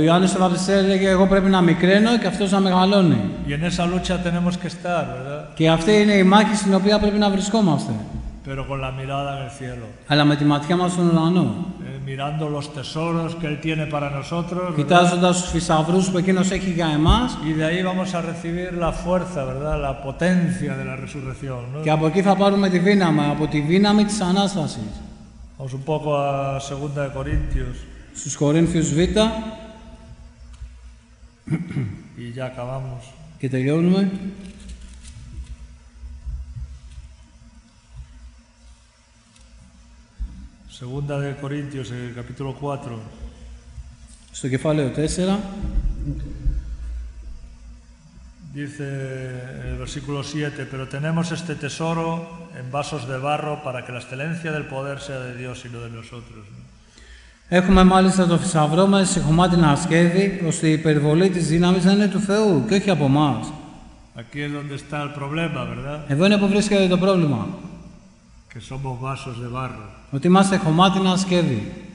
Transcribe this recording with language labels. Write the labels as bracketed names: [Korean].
[Greek] Ιωάννης ο Βαπτιστής έλεγε εγώ πρέπει να μικραίνω και αυτός να μεγαλώνει. [Spanish] Y en esa lucha tenemos que estar, ¿verdad? [Greek] Και αυτή είναι η μάχη στην οποία πρέπει να βρισκόμαστε. [Spanish] Pero con la mirada en el cielo. [Greek] Αλλά με τη ματιά μας στον ουρανό. [Spanish] Mirando los tesoros que él tiene para nosotros. [Greek] Κοιτάζοντας τους θησαυρούς που εκείνος έχει για εμάς. [Spanish] Y de ahí vamos a recibir la fuerza, ¿verdad? La potencia de la resurrección, ¿no? [Greek] Και από εκεί θα πάρουμε τη δύναμη, από τη δύναμη της Ανάστασης. [Spanish] Vamos un poco a 2 Corintios. [Greek] Στους Κορίνθιους Β. [Spanish] Y ya acabamos. [Greek] Και τελειώνουμε. [Spanish] Segunda de Corintios, el capítulo 4. [Greek] Στο κεφάλαιο 4. [Spanish] Dice el versículo 7, pero tenemos este tesoro en vasos de barro para que la excelencia del poder sea de Dios y no de nosotros. [Greek] Έχουμε μάλιστα το θησαυρό μας σε χωμάτινα ασκέδη, ώστε η υπερβολή της δύναμης να είναι του Θεού και όχι από εμάς. [Spanish] Aquí es donde está el problema, ¿verdad? [Greek] Εδώ είναι που βρίσκεται το πρόβλημα. [Spanish] Que somos vasos de barro. [Greek] Ότι είμαστε χωμάτινα σκεύη.